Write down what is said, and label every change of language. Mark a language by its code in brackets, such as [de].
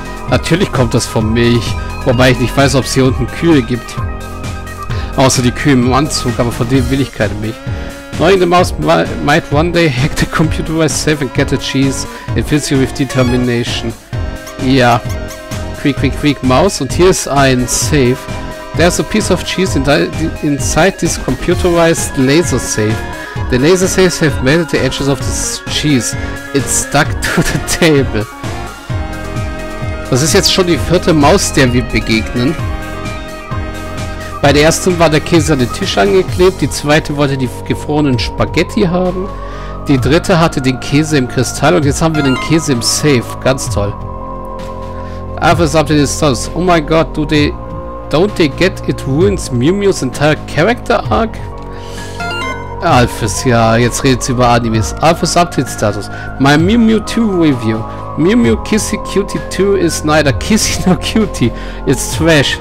[de] Natürlich kommt das von Milch, wobei ich nicht weiß, ob es hier unten Kühe gibt. Außer die Kühe im Anzug, aber von denen will ich keine Milch. [en] Knowing the mouse might one day hack the computer myself and get the cheese. It fills you with determination. Ja. Quick, quick, quick, Maus. [de] Und hier ist ein Safe. [en] There's a piece of cheese inside this computerized laser safe. The laser safes have melted the edges of this cheese. It's stuck to the table. [de] Das ist jetzt schon die vierte Maus, der wir begegnen. Bei der ersten war der Käse an den Tisch angeklebt, die zweite wollte die gefrorenen Spaghetti haben, die dritte hatte den Käse im Kristall und jetzt haben wir den Käse im Safe. Ganz toll. [en] Alphys updated status. Oh my god, don't they get it ruins Mew Mew's entire character arc? [de] Alphys, ja, jetzt redet sie über Animes. [en] Alphys updated status. My Mew Mew 2 review. Mew Mew Kissy Cutie 2 is neither Kissy nor Cutie. It's trash.